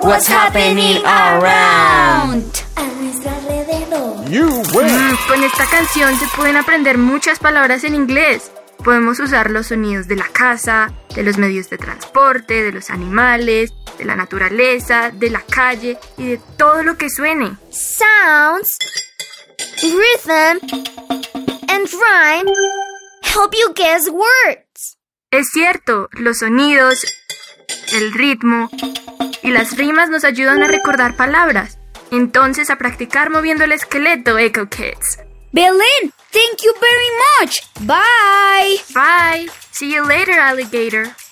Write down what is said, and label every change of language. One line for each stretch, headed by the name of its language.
English: What's happening around? You win!
Spanish: Con esta canción se pueden aprender muchas palabras en inglés. Podemos usar los sonidos de la casa, de los medios de transporte, de los animales, de la naturaleza, de la calle y de todo lo que suene.
English: Sounds, rhythm, and rhyme help you guess words.
Spanish: Es cierto, los sonidos, el ritmo y las rimas nos ayudan a recordar palabras. Entonces, a practicar moviendo el esqueleto, Echo Kids.
English: Belén, thank you very much. Bye. Bye. See you later, alligator.